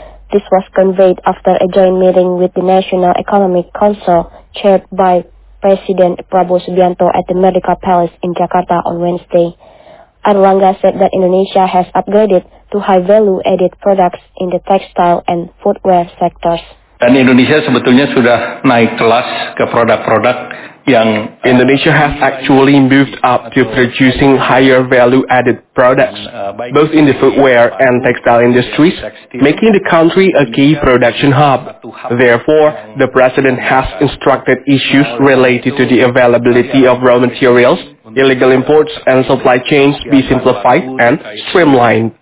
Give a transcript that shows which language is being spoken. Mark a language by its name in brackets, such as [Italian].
[English] This was conveyed after a joint meeting with the National Economic Council chaired by President Prabowo Subianto at the Merdeka Palace in Jakarta on Wednesday. Erlangga said that Indonesia has upgraded to high-value added products in the textile and footwear sectors. [Indonesian] Dan Indonesia sebetulnya sudah naik kelas ke produk-produk yang [English] Indonesia has actually moved up to producing higher value added products, both in the footwear and textile industries, making the country a key production hub. Therefore, the president has instructed issues related to the availability of raw materials, illegal imports and supply chains be simplified and streamlined.